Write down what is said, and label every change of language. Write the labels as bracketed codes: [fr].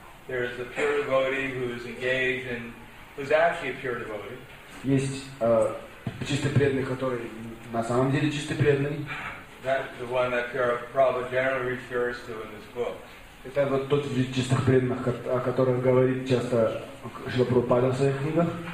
[en] There is a pure devotee who is engaged and who's actually a pure devotee. [ru] Есть чистый преданный, который на самом деле чистый преданный. [en] That's the one that Prabhupada generally refers to in this book. [ru] Это вот тот вид чистых преданных, о которых говорит часто Шрила Прабхупада в своих книгах.